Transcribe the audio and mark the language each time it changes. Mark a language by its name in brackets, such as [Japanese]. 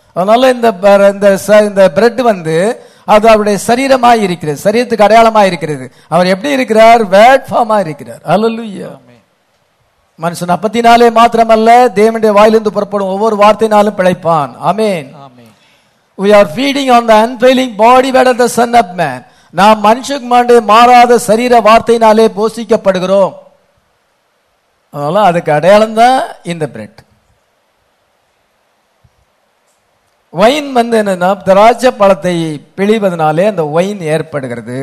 [Tamil] அதனால இந்த பிரெட் வந்து அது அவருடைய சரீரமாய் இருக்கிறது, சரீரத்துக்கு அடையாளமாக இருக்கிறது. அவர் எப்படி இருக்கிறார்? [English] word ஃபார்மா [Tamil] இருக்கிறார். ஹல்லேலூயா. மனுஷன் 34 மாத்திரமல்ல, தேவனுடைய வாயிலிருந்து புறப்படும் ஒவ்வொரு வார்த்தையினாலும் பிழைப்பான். ஆமென். [English] We are feeding on the unfailing body of the Son of Man. [Tamil] நாம் மனுஷக்கு மாண்டே மாறாத சரீர வார்த்தையினாலே போஷிக்கப்படுகிறோம். அதனால அதுக்கு அடையாளம் தான் இந்த பிரெட். ஒயின் வந்து என்னன்னா, திராட்சை பழத்தை பிழிவதனாலே அந்த ஒயின் ஏற்படுகிறது.